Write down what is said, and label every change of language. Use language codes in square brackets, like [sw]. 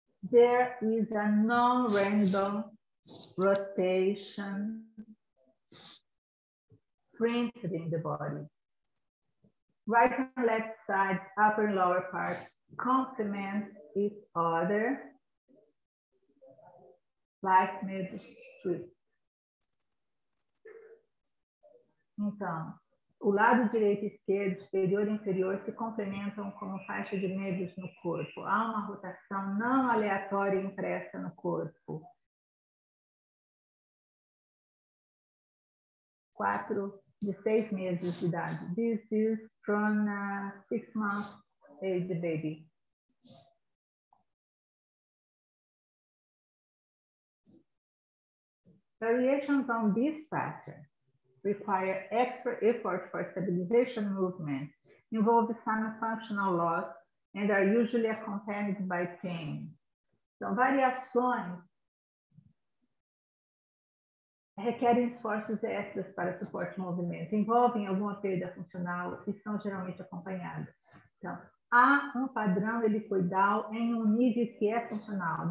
[en] There is a non-random rotation printed in the body. Right and left side, upper and lower part, complement each other like maybe street. [pt] Então, o lado direito e esquerdo, superior e inferior, se complementam como faixa de nervos no corpo. Há uma rotação não aleatória impressa no corpo. Quatro de seis meses de idade. [en] This is from a 6-month-old baby. Variations on this pattern require extra effort for stabilization movement, involve some functional loss, and are usually accompanied by pain. [pt] Então, variações requerem esforços extras para suporte ao movimento, envolvem alguma perda funcional e são geralmente acompanhadas. Então, há um padrão helicoidal em um nível que é funcional.